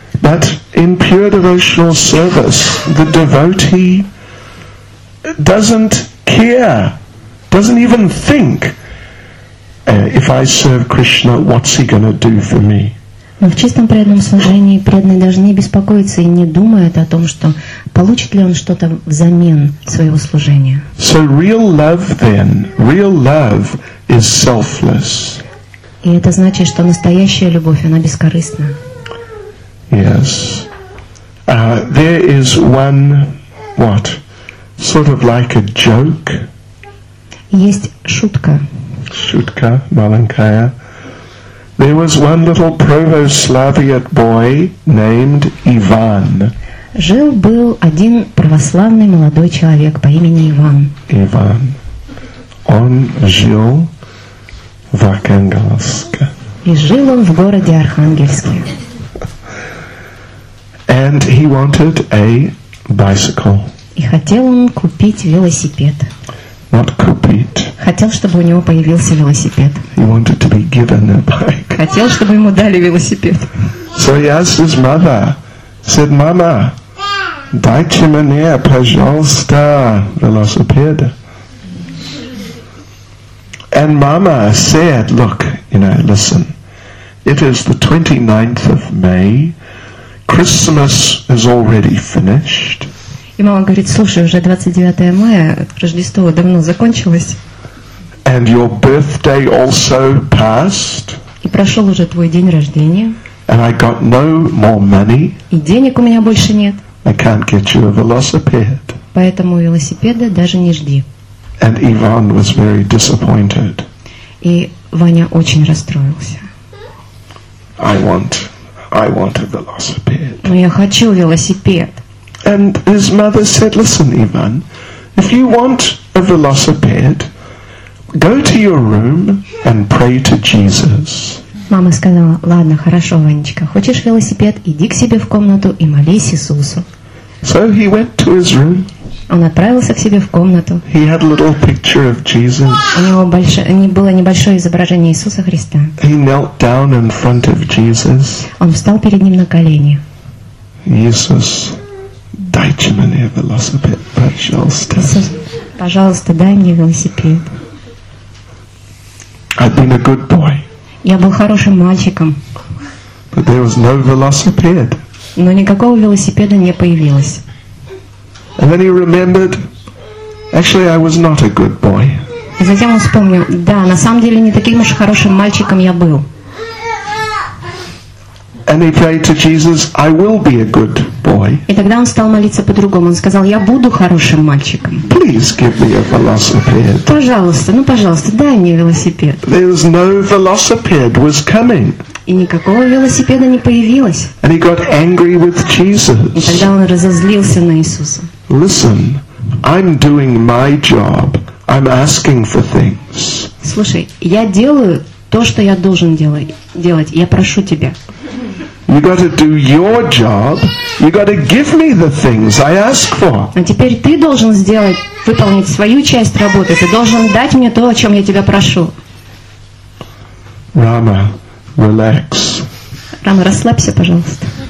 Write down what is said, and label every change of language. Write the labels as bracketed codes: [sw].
[en] But in pure devotional service, the devotee doesn't care, doesn't even think, if I serve Krishna, what's he going to do for me? [ru] Но в чистом преданном служении преданный даже не беспокоится и не думает о том, что получит ли он что-то взамен своего служения. [en] So real love then, real love is selfless. [ru] И это значит, что настоящая любовь, она бескорыстна. [en] Yes. There is one, what? Sort of like a joke. [ru] Есть шутка. Шутка, маленькая. [en] There was one little Pravoslaviat boy named Ivan. [ru] Жил был один православный молодой человек по имени Иван. Иван. Он жил в Архангельске. И жил он в городе Архангельске. [en] And he wanted a bicycle. [ru] И хотел он купить велосипед. [en] Not [ru] купить. Хотел, чтобы у него появился велосипед. [en] He wanted to be given a bike. [ru] Хотел, чтобы ему дали велосипед. [en] So he asked his mother, said, "Mama, [ru] дайте мне, пожалуйста, велосипед." [en] And mama said, "Look, you know, listen, it is the 29th of May. Christmas is already finished." [ru] И мама говорит, слушай, уже 29 мая, Рождество давно закончилось. [en] And your birthday also passed. [ru] И прошел уже твой день рождения. [en] And I got no more money. [ru] И денег у меня больше нет. [en] I can't get you a velocipede. [ru] Поэтому велосипеда даже не жди. [en] And Ivan was very disappointed. [ru] И Ваня очень расстроился. [en] I want a velocipede. [ru] Но я хочу велосипед. [en] And his mother said, listen, Ivan, if you want a velocipede, go to your room and pray to Jesus. [ru] Мама сказала, ладно, хорошо, Ванечка, хочешь велосипед, иди к себе в комнату и молись Иисусу. [en] So he went to his room. [ru] Он отправился к себе в комнату. [en] He had a little picture of Jesus. [ru] У него было небольшое изображение Иисуса Христа. [en] He knelt down in front of Jesus. [ru] Он встал перед ним на колени. Иисус, дайте мне велосипед, пожалуйста. Иисус, пожалуйста, дай мне велосипед. [en] I've been a good boy. [ru] Я был хорошим мальчиком. [en] But there was no velocipede. [ru] Но никакого велосипеда не появилось. [en] And then he remembered, actually, I was not a good boy. [ru] И затем он вспомнил, да, на самом деле не таким уж хорошим мальчиком я был. [en] And he prayed to Jesus, I will be a good boy. [ru] И тогда он стал молиться по-другому. Он сказал, я буду хорошим мальчиком. [en] Please give me a velocipede. [ru] Пожалуйста, ну пожалуйста, дай мне велосипед. [en] There's no velocipede was coming. [ru] И никакого велосипеда не появилось. [en] And he got angry with Jesus. [ru] И тогда он разозлился на Иисуса. [en] Listen, I'm doing my job. I'm asking for things. [ru] Слушай, я делаю то, что я должен делать. Я прошу тебя. [en] You got to do your job. You got to give me the things I ask for. [ru] А теперь ты должен выполнить свою часть работы. Ты должен дать мне то, о чем я тебя прошу. [en] Rama, relax. [ru] Рама, расслабься, пожалуйста.